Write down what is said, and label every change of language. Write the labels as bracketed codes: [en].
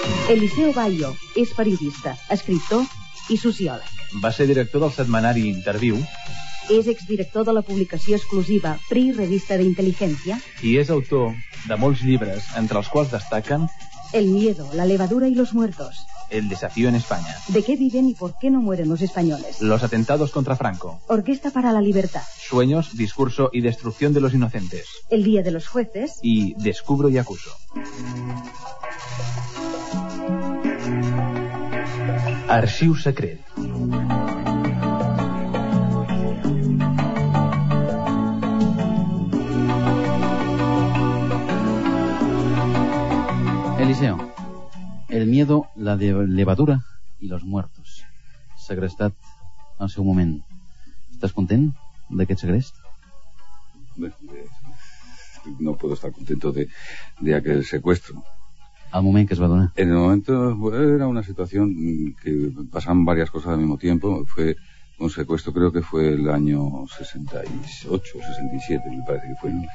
[ca] Eliseo Bayo és periodista, escriptor i sociòleg. Va ser director del setmanari Interviu. És exdirector de la publicació exclusiva PRI Revista de Inteligencia. I és autor de molts llibres, entre els quals destaquen [es] El miedo, la levadura y los muertos. El desafío en España. ¿De qué viven y por qué no mueren los españoles? Los atentados contra Franco. Orquesta para la libertad. Sueños, discurso y destrucción de los inocentes. El día de los jueces. Y descubro y acuso. [ca] Arxiu secret. [es] Eliseo, el miedo, la levadura i los muertos. [ca] Segrestat al seu moment. Estàs content d'aquest segrest? [es] No puedo estar contento de aquel secuestro. ¿Al momento que se va a donar? En el momento, era una situación que pasaban varias cosas al mismo tiempo. Fue un secuestro, creo que fue el año 68 o 67, me parece que fue.